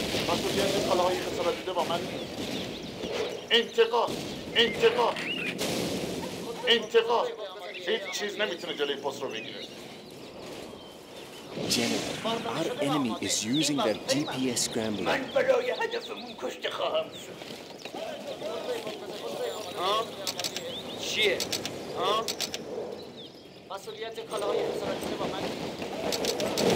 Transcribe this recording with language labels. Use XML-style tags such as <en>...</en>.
<fa>مسئولیت کالاهای خسارت دیده با من انتقام هیچ چیز نمیتونه جلوی پست رو بگیره.</fa> <en>General, our enemy is using their GPS scrambler.</en> <fa>من برای هدفمون کشته خواهم شد. چیه؟ مسئولیت کالاهای خسارت دیده با من</fa>